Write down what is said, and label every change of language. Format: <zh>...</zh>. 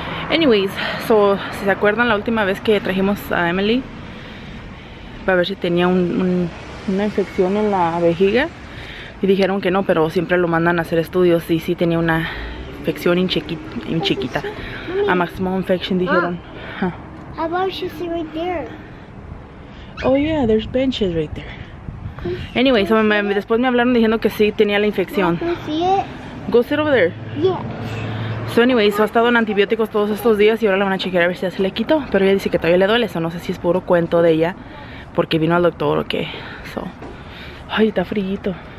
<es>Anyways, so, si se acuerdan la última vez que trajimos a Emily, para ver si tenía una infección en la vejiga. Y dijeron que no, pero siempre lo mandan a hacer estudios. Y sí tenía una infección chiquita.</es> <en>A maximum infection,</en> <es>dijeron.</es> <en>How about she sit right there? Oh yeah, there's benches right there.</en> <es>Anyway, so después me hablaron diciendo que sí tenía la infección.</es> <en>Go sit over there. Yes.</en> <es>So anyway, so ha estado en antibióticos todos estos días y ahora la van a chequear a ver si ya se le quitó. Pero ella dice que todavía le duele, eso no sé si es puro cuento de ella porque vino al doctor o qué. So, ay, está frillito.</es>